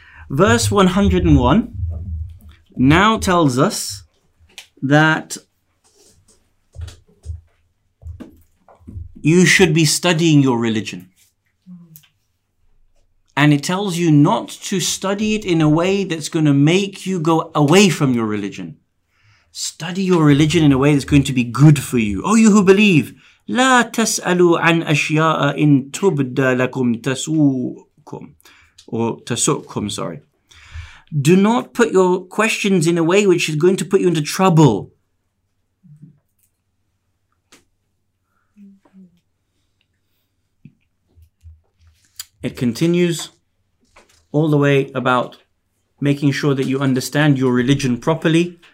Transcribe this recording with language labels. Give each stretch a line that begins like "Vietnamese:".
English: Verse 101 now tells us that you should be studying your religion. And it tells you not to study it in a way that's going to make you go away from your religion. Study your religion in a way that's going to be good for you. Oh, you who believe.
Arabic: لا تسألوا عن أشياء إن تبدى لكم تسوكم.
English: Or تسوكم, sorry. Do not put your questions in a way which is going to put you into trouble. It continues all the way about making sure that you understand your religion properly.